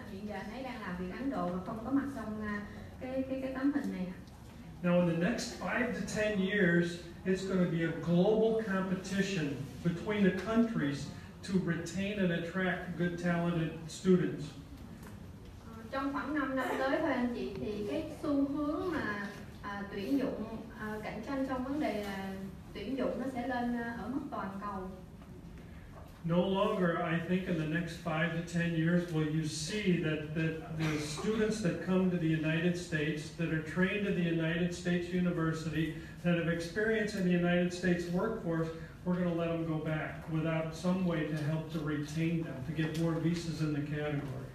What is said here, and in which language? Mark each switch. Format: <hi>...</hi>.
<vi>Hiện giờ anh ấy đang làm việc Ấn Độ mà không có mặt trong cái tấm hình này.</vi> <en>Now in the next 5 to 10 years, it's going to be a global competition between the countries to retain and attract good talented students.</en> <vi>Trong khoảng 5 năm tới thôi anh chị thì cái xu hướng mà tuyển dụng cạnh tranh trong vấn đề là tuyển dụng nó sẽ lên ở mức toàn cầu.</vi> <en>No longer, I think, in the next 5 to 10 years, will you see that the students that come to the United States, that are trained in the United States University, that have experience in the United States workforce, we're going to let them go back without some way to help to retain them, to get more visas in the category.</en>